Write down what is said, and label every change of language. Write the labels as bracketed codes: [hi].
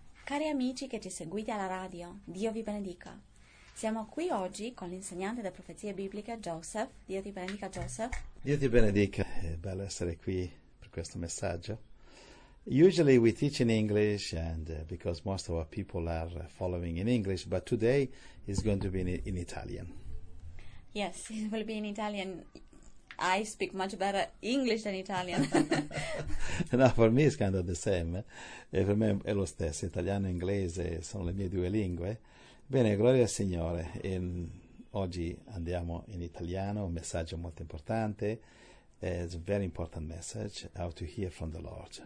[it] Cari amici che ci seguite alla radio, Dio vi benedica. Siamo qui oggi con l'insegnante delle profezie bibliche, Joseph. Dio ti benedica, Joseph. Dio ti benedica, è bello essere qui per questo messaggio. [en] Usually we teach in English and because most of our people are following in English, but today it's going to be in Italian. Yes, it will be in Italian. I speak much better English than Italian. No, for me it's kind of the same. [it] E per me è lo stesso, italiano e inglese sono le mie due lingue. Bene, gloria al Signore. Oggi andiamo in italiano, un messaggio molto importante. [en] It's a very important message, how to hear from the Lord.